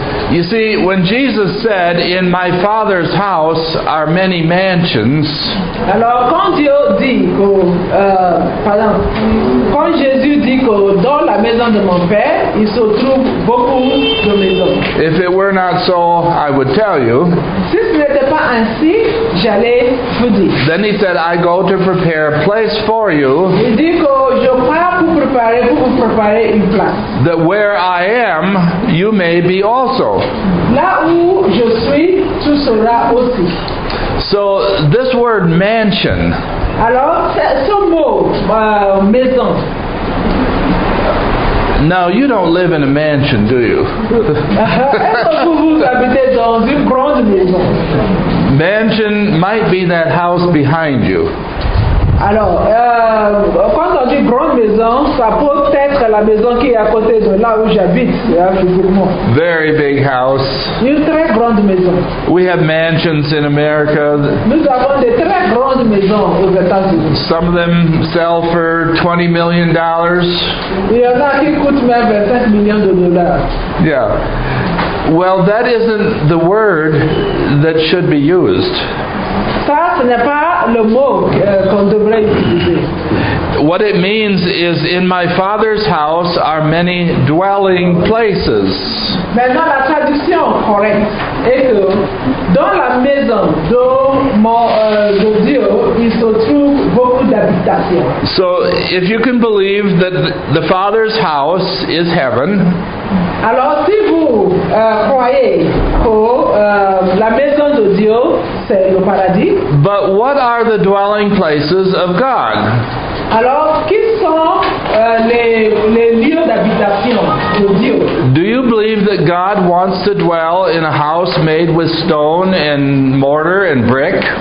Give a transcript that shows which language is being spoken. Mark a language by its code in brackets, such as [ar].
[en] You see, when Jesus said, "In my Father's house are many mansions," [fr] alors quand Dieu dit que, pardon, quand Jésus dit que dans la maison de mon père il se trouve beaucoup de maisons. [en] If it were not so, I would tell you. [fr] Si ce n'était pas ainsi, j'allais vous dire. [en] Then he said, "I go to prepare a place for you." [fr] Il dit que je pars pour vous préparer une place. [en] That where I am, you may be also. [fr] Là où je suis, tu seras aussi. [en] So this word mansion. [fr] Alors, ce mot, maison. [en] Now you don't live in a mansion, do you? [fr] Est-ce que vous habitez dans une grande maison? [en] Mansion might be that house behind you. [fr] Alors, quand on dit grande maison, ça peut être la maison qui est à côté de là où j'habite, physiquement. [en] Very big house. [fr] Une très grande maison. [en] We have mansions in America. [fr] Nous avons des très grandes maisons aux États-Unis. [en] Some of them sell for $20 million. [fr] Il y en a qui coûtent même 25 millions de dollars. [en] Yeah. Well, that isn't the word that should be used. [fr] Ça, ce n'est pas le mot qu'on devrait utiliser. [en] What it means is, in my Father's house are many dwelling places. [fr] Maintenant, la traduction correcte est que dans la maison de Dieu, il se trouve beaucoup d'habitations. [en] So, if you can believe that the Father's house is heaven, [fr] alors si vous croyez que la maison de Dieu, c'est le paradis. [en] But what are the dwelling places of God? [fr] Alors, qui sont les lieux d'habitation de Dieu? [en] Do you believe that God wants to dwell in a house made with stone and mortar and brick?